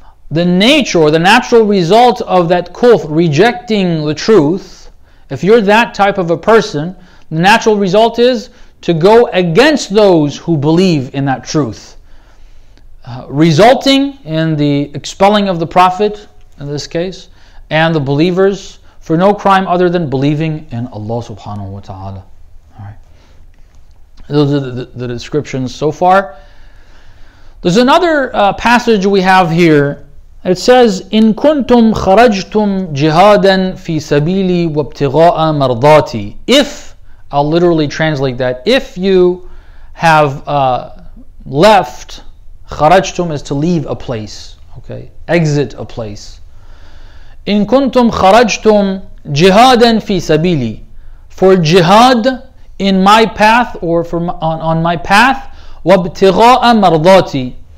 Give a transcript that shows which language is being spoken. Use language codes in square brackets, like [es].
[en] The nature, the natural result of that kufr, rejecting the truth, if you're that type of a person, the natural result is to go against those who believe in that truth, resulting in the expelling of the Prophet, in this case, and the believers, for no crime other than believing in Allah subhanahu wa ta'ala. All right. Those are the descriptions so far. There's another passage we have here. It says, [ar] إِن كُنْتُمْ خَرَجْتُمْ جِهَادًا فِي سَبِيلِي وَابْتِغَاءَ مَرْضَاتِي. [en] If, I'll literally translate that, if you have left, خَرَجْتُمْ is to leave a place, okay, exit a place. [ar] إِن كُنْتُمْ خَرَجْتُمْ جِهَادًا فِي سَبِيلِي. [en] For jihad in my path or on my path, [ar] وَابْتِغَاءَ مَرْضَاتِي.